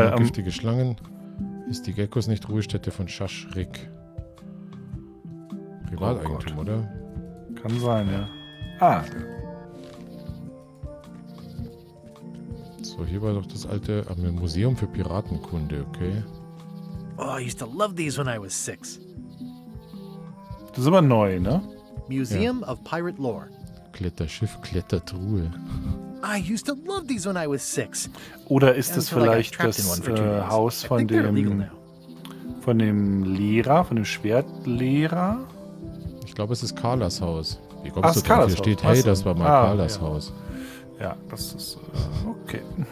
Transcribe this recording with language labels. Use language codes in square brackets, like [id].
[de] giftige Schlangen ist die Geckos nicht Ruhestätte von Schaschrik. Privateigentum, oder? Kann sein, ja. Ah. So, hier war doch das alte Museum für Piratenkunde, okay? [en] Oh, I used to love these when I was six. [de] Das ist aber neu, ne? [en] Museum of Pirate Lore. [de] Kletterschiff, Klettertruhe. [en] I used to love these when I was six. [de] Oder ist es vielleicht das Haus von dem Lehrer, von dem Schwertlehrer? Ich glaube, es ist Carlas Haus. Wie kommst du drauf? Hier steht, hey, das war mal Carlas Haus. Ja, das ist okay.